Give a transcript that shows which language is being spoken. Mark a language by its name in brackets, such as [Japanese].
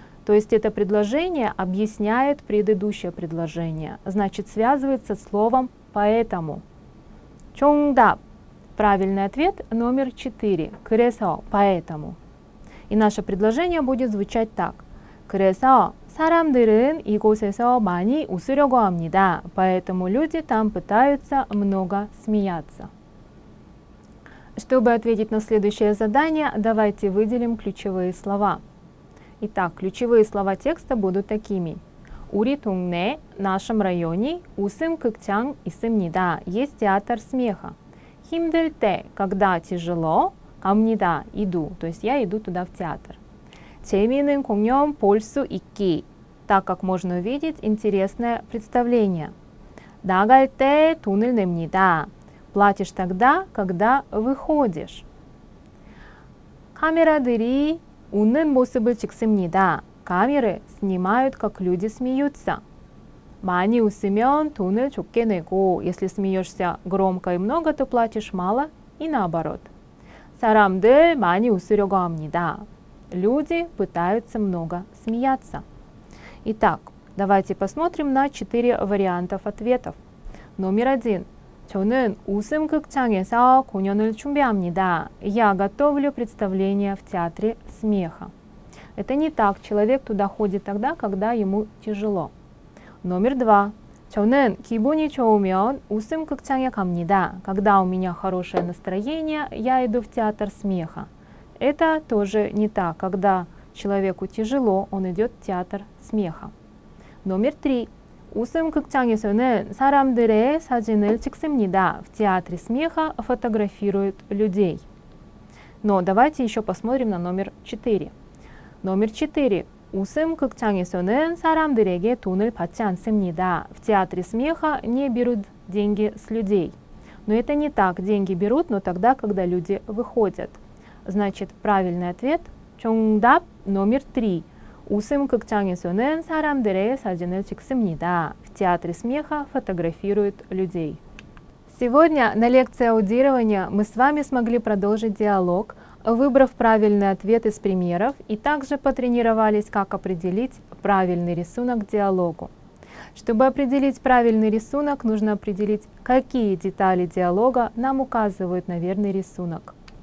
[Russian] То есть это предложение объясняет предыдущее предложение. Значит, связывается с словом «поэтому». Чонгдап. Правильный ответ номер 4. Кресо. Поэтому. И наше предложение будет звучать так. Кресо. [Korean] 사람들은 이곳에서 많이 웃으려고 합니다. [Russian] Поэтому люди там пытаются много смеяться. Чтобы ответить на следующее задание, давайте выделим ключевые слова. Итак, ключевые слова текста будут такими. [Korean] 우리 동네, [Russian] в нашем районе, [Korean] 웃음 극장 있습니다. [Russian] Есть театр смеха. [Korean] 힘들 때, [Russian] когда тяжело, [Korean] 갑니다, иду. [Russian] То есть я иду туда в театр. [Korean] 재미있는 공연 볼 수 있기, [Russian] так как можно увидеть интересное представление. [Korean] 나갈 때 돈을 냅니다, [Russian] платишь тогда, когда выходишь. [Korean] 카메라들이 웃는 모습을 찍습니다, [Russian] камеры снимают, как люди смеются. [Korean] 많이 웃으면 돈을 적게 내고, [Russian] если смеешься громко и много, то платишь мало, и наоборот. [Korean] 사람들 많이 웃으려고 합니다. [Russian] Люди пытаются много смеяться. Итак, давайте посмотрим на четыре варианта ответов. Номер один. [Korean] 저는 웃음 극장에서 공연을 준비합니다. [Russian] Я готовлю представление в театре смеха. Это не так. Человек туда ходит тогда, когда ему тяжело. Номер два. [Korean] 저는 기분이 좋으면 웃음 극장에 갑니다. [Russian] Когда у меня хорошее настроение, я иду в театр смеха. Это тоже не так. Когда человеку тяжело, он идет в театр смеха. Номер три. [Korean] 웃음 극장에서는 사람들의 사진을 찍습니다. [Russian] В театре смеха фотографируют людей. Но давайте еще посмотрим на номер четыре. Номер четыре. [Korean] 웃음 극장에서는 사람들에게 돈을 받지 않습니다. [Russian] В театре смеха не берут деньги с людей. Но это не так. Деньги берут, но тогда, когда люди выходят. Значит, правильный ответ – чонгдап номер три. [Korean] 웃음 극장에서는 사람들의 사진을 찍습니다. [Russian] В театре смеха фотографируют людей. Сегодня на лекции аудирования мы с вами смогли продолжить диалог, выбрав правильный ответ из примеров, и также потренировались, как определить правильный рисунок диалогу. Чтобы определить правильный рисунок, нужно определить, какие детали диалога нам указывают на верный рисунок.